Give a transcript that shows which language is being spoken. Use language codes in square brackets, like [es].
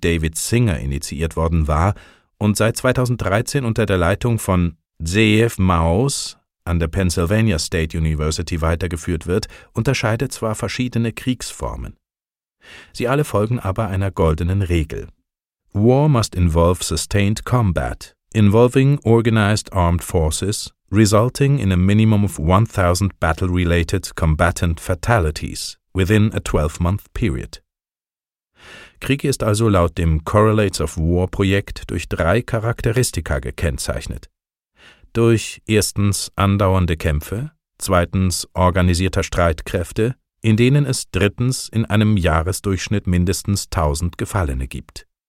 [de] David Singer initiiert worden war und seit 2013 unter der Leitung von Zeev Maus an der Pennsylvania State University weitergeführt wird, unterscheidet zwar verschiedene Kriegsformen. Sie alle folgen aber einer goldenen Regel. [en] War must involve sustained combat, involving organized armed forces, resulting in a minimum of 1,000 battle-related combatant fatalities within a 12-month period. [de] Krieg ist also laut dem Correlates of War-Projekt durch drei Charakteristika gekennzeichnet. Durch erstens andauernde Kämpfe, zweitens organisierter Streitkräfte, in denen es drittens in einem Jahresdurchschnitt mindestens 1,000 Gefallene gibt.